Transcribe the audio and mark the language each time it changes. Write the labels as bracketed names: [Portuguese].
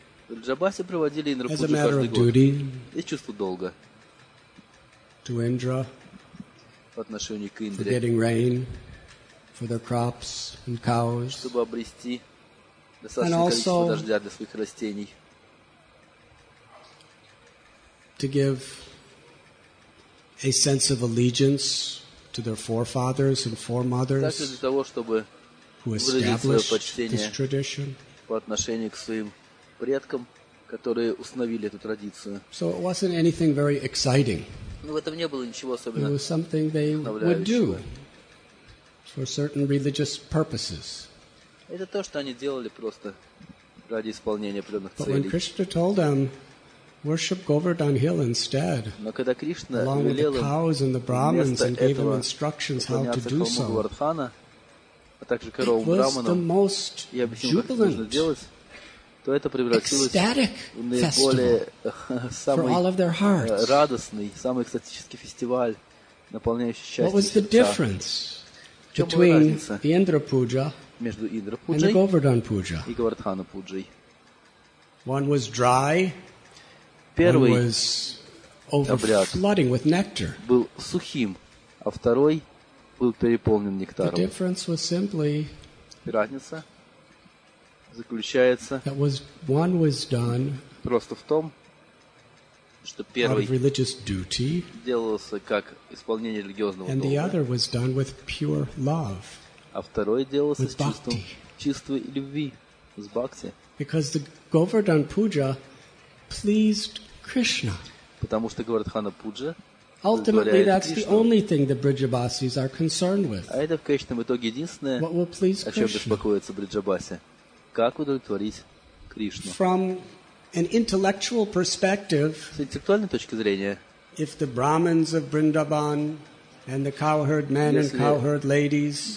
[Russian] Раджабаси проводили Индрапуджу каждый год. Из чувства долга. [English] To Indra. [Russian] По отношению к Индре. [English] For their crops and cows. [Russian] Чтобы обрести достаточное количество дождя для своих растений. [English] To give a sense of allegiance to their forefathers and foremothers who established this tradition. [Russian] По отношению к своим предкам, которые установили эту традицию. [English] So it wasn't anything very exciting. [Russian] Но в этом не было ничего особенного. [English] It was something they would do for certain religious purposes. [Russian] Это то, что они делали просто ради исполнения определенных целей. [English] But when Krishna told them worship Govardhan Hill instead, along with the cows and the Brahmins, and gave them instructions how to do so. It was the most jubilant, ecstatic festival for all of their hearts. What was the difference between the Indra Puja and the Govardhan Puja? One was dry. [Russian] Первый [English] was overflowing with nectar. [Russian] Был сухим, а второй был переполнен нектаром. [English] The difference was simply [Russian] разница заключается [English] that was, one was done [Russian] просто в том, что первый [English] out of religious duty, [Russian] делался как исполнение религиозного долга, [English] and the other was done with pure love, [Russian] а второй делался с чувством чистой любви, с бхакти. [English] Because the Govardhan Puja pleased Krishna. [Russian] Потому что Говардхана Пуджа. [English] Ultimately, that's the only thing the Brijabasis are concerned with. [Russian] А это в конечном итоге единственное. [English] What will please Krishna? [Russian] О чем беспокоится Бриджабаси? Как удовлетворить Кришну? [English] From an intellectual perspective. [Russian] С интеллектуальной точки зрения. [English] If the Brahmins of Vrindavan and the cowherd men and cowherd ladies.